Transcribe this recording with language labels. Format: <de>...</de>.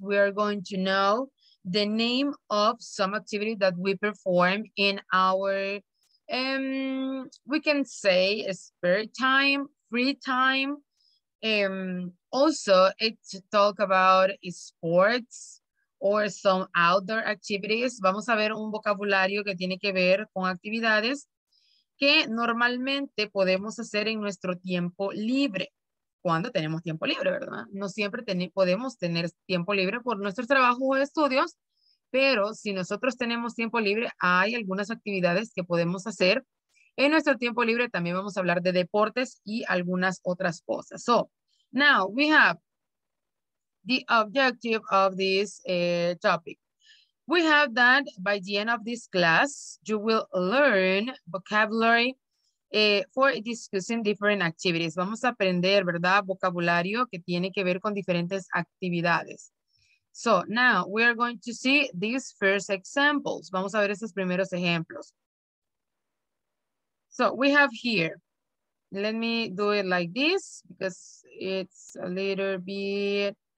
<en>We are going to know the name of some activity that we perform in our, we can say, spare time, free time. Also, it's talk about sports or some outdoor activities.</en> <es>Vamos a ver un vocabulario que tiene que ver con actividades que normalmente podemos hacer en nuestro tiempo libre. Cuando tenemos tiempo libre, ¿verdad? No siempre podemos tener tiempo libre por nuestros trabajos o estudios, pero si nosotros tenemos tiempo libre, hay algunas actividades que podemos hacer en nuestro tiempo libre. También vamos a hablar de deportes y algunas otras cosas.</es> <en>So, now we have the objective of this topic. We have that by the end of this class, you will learn vocabulary for discussing different activities.</en> <es>Vamos a aprender, ¿verdad? Vocabulario que tiene que ver con diferentes actividades.</es> <en>So, now we are going to see these first examples.</en> <es>Vamos a ver estos primeros ejemplos.</es> <en>So, we have here. Let me do it like this because it's a little bit...</en>